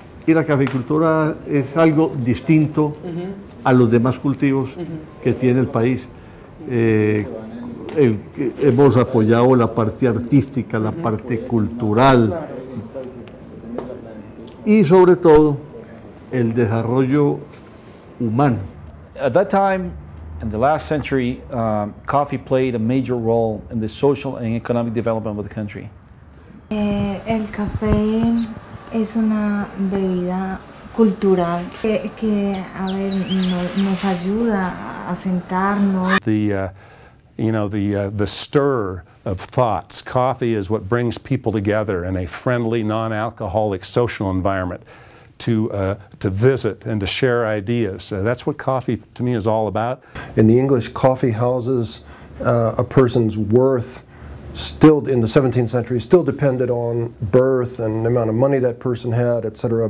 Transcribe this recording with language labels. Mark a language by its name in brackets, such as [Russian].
[Spanish] Y la cafecultura es algo distinto a los demás cultivos que tiene el país. Hemos apoyado la parte artística, la parte cultural y sobre todo el desarrollo humano. [English] At that time, in the last century, coffee played a major role in the social and economic development of the country. [Spanish] El café es una bebida cultural que a ver nos ayuda a sentarnos. [English] The stir of thoughts. Coffee is what brings people together in a friendly, non-alcoholic social environment to visit and to share ideas. That's what coffee to me is all about. In the English, coffee houses a person's worth still in the 17th century still depended on birth and the amount of money that person had, etc.